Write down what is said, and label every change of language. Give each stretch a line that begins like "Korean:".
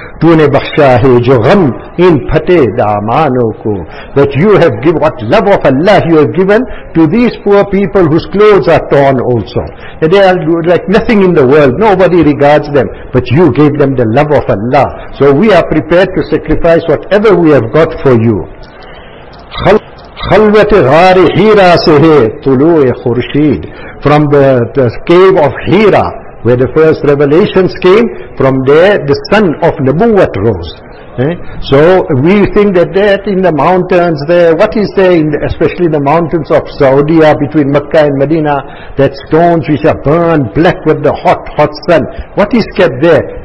Urdu: Tu ne bakhsha hai jo gham in phate daamano ko.
English: That you have given, what love of Allah you have given to these poor people whose clothes are torn also. And they are like nothing in the world, nobody regards them, but you gave them the love of Allah. So we are prepared to sacrifice whatever we have got for you.
Urdu: خلوت غار حیرا سے ہے طلوع Khurshid.
English: From the cave of Hira, where the first revelations came, from there the sun of Nabuwat rose. So we think that there in the mountains there, what is there in the, especially the mountains of Saudia between Makkah and Medina, that stones which are burned black with the hot sun, what is kept there?